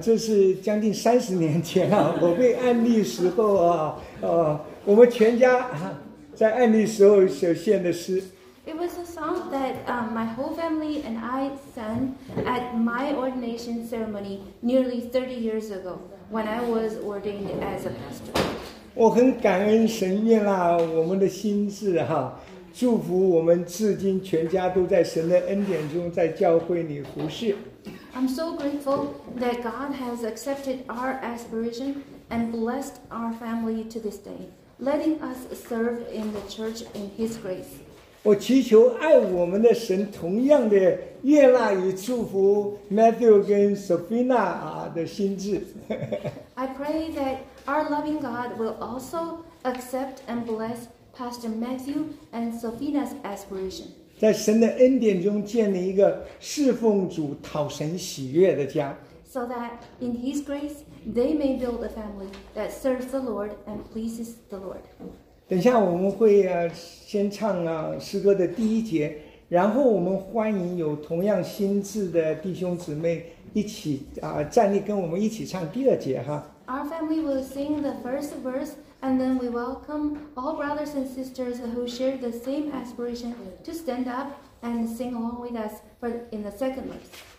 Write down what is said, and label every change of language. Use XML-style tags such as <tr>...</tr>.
<zh>这是将近30年前, 我被案例时候, 我们全家, 在案例时候所献的诗,</zh> <en>it was a song that my whole family and I sang at my ordination ceremony nearly 30 years ago when I was ordained as a pastor.</en> <zh>我很感恩神悦纳我们的心志哈, 祝福我们至今全家都在神的恩典中，在教会里服事。</zh> <en>I'm so grateful that God has accepted our aspiration and blessed our family to this day, letting us serve in the church in His grace.</en> <zh>我祈求爱我们的神同样的悦纳与祝福 Matthew 跟 Sophina 的心志。</zh> <en>I pray that our loving God will also accept and bless Pastor Matthew and Sophina's aspiration.</en> <zh>在神的恩典中建立一个侍奉主讨神喜悦的家。</zh> <en>So that in His grace, they may build a family that serves the Lord and pleases the Lord.</en> <zh>等下我们会先唱诗歌的第一节，然后我们欢迎有同样心志的弟兄姊妹一起站立跟我们一起唱第二节哈。</zh> <en>Our family will sing the first verse, and then we welcome all brothers and sisters who share the same aspiration to stand up and sing along with us in the second verse.</en>